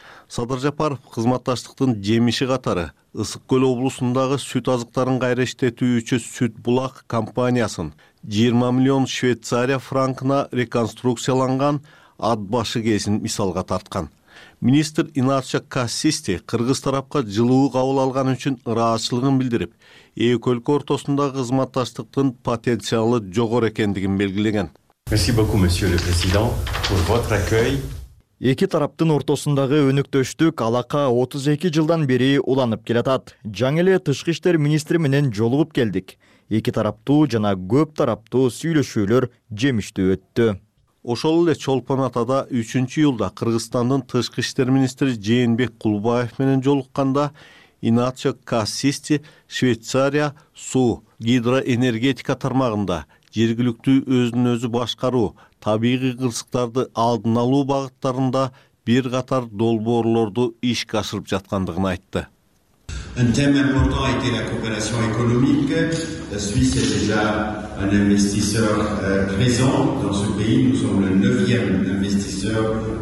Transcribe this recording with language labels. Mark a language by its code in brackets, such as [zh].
[ky] Садыр Жапаров кызматташтыктын жемиши катары Ысык Көл облусундагы сүт азыктарын кайра иштетүүчү Сүт Булак компаниясын 20 млн Швейцария франкына реконструкцияланган ат башы кесин мисалга тарткан. Министр Иначо Кассисти кыргыз тарапка жылуу кабыл алган үчүн ыраазычылыгын билдирип, эки өлкө ортосундагы кызматташтыктын потенциалы жогору экендигин белгилеген. [fr] Merci beaucoup monsieur le président pour votre accueil. [ky] Эки тараптын ортосундагы өнөктөштүк алака 32 жылдан бери уланып келатат. Жаңы эле тышкы иштер министри менен жолугуп келдик. Эки тараптуу жана көп тараптуу сүйлөшүүлөр жемиштүү өттү. Ошол эле Чолпон Атада 3-июлда Кыргызстандын тышкы иштер министри Жээнбек Кулубаев менен жолукканда Иначо Кассисти Швейцария суу, гидроэнергетика тармагында жергиликтүү өзүн өзү башкаруу, табигый кырсыктарды алдын алуу багыттарында бир катар долбоорлорду ишке ашырып жаткандыгын айтты. [fr] Un thème important a été la coopération économique. La Suisse est déjà un investisseur présent dans ce pays. Nous sommes le 9e investisseur.